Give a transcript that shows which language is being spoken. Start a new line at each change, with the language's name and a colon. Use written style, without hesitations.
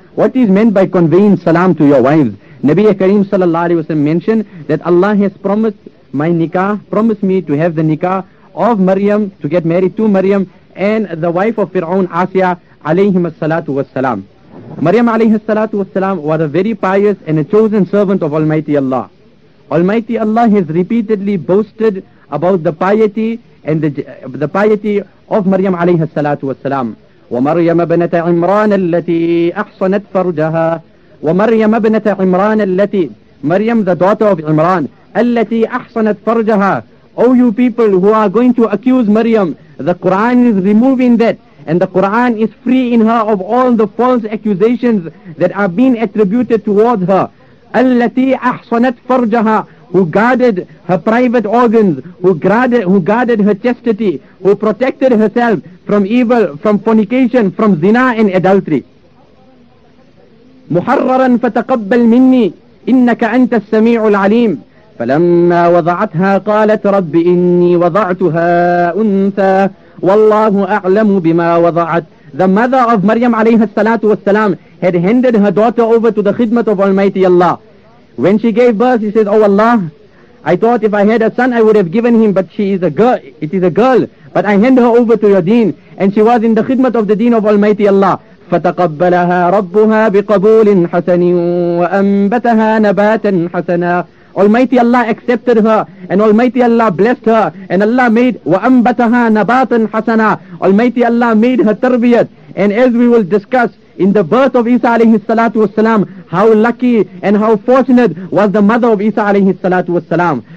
English: What is meant by conveying salam to your wives?" Nabi Kareem sallallahu alayhi wa sallam mentioned that Allah has promised my nikah, promised me to have the nikah of Maryam, to get married to Maryam, and the wife of Fir'aun, Asiya, alayhim as-salatu was-salam. Maryam alayhi as-salatu was-salam was a very pious and a chosen servant of Almighty Allah. Almighty Allah has repeatedly boasted about the piety and the piety of Maryam alayhi as-salatu was-salam.
Arabic: وَمَرْيَمَ بْنَةَ عِمْرَانَ الَّتِي أَحْصَنَتْ فَرْجَهَا وَمَرْيَمَ بْنَةَ عِمْرَانَ الَّتِي
English: Maryam, the daughter of Imran,
Arabic: الَّتِي أَحْصَنَتْ فَرْجَهَا.
English: O you people who are going to accuse Maryam, the Quran is removing that, and the Quran is freeing her of all the false accusations that are being attributed towards her.
Arabic: Allati ahsanat farjaha,
English: who guarded her private organs, who guarded her chastity, who protected herself from evil, from fornication, from zina and adultery.
Arabic: Muharraran fataqabbal minni innaka anta as-sami'ul 'alim. فلما وضعتها قالت رب إني وضعتها أنثى والله أعلم بما وضعت.
English: The mother of Maryam
Arabic: عليه الصلاة والسلام
English: had handed her daughter over to the khidmat of Almighty Allah. When she gave birth, she said, "Oh Allah, I thought if I had a son, I would have given him, but she is a girl. It is a girl, but I hand her over to your deen." And she was in the khidmat of the deen of Almighty Allah.
Arabic: فتقبلها ربها بقبول حسن وأنبتها نباتا حسنا.
English: Almighty Allah accepted her, and Almighty Allah blessed her, and Allah made
Arabic: وَأَنْبَتَهَا نَبَاتٌ حَسَنًا.
English: Almighty Allah made her tarbiyat, and as we will discuss in the birth of Isa alayhi salatu wasalam, how lucky and how fortunate was the mother of Isa alayhi salatu wasalam.